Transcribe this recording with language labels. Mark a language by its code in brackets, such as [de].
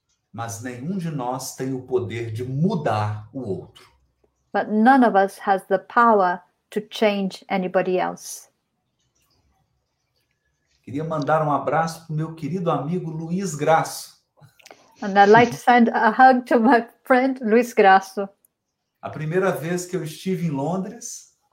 [pt] Mas nenhum de nós tem o poder de mudar o outro. [en] But none of us has the power to change anybody else. [pt] Queria mandar um abraço para o meu querido amigo Luiz Grasso. [en] And I'd like to send a hug to my friend Luiz Grasso. [pt] A primeira vez que eu estive em Londres.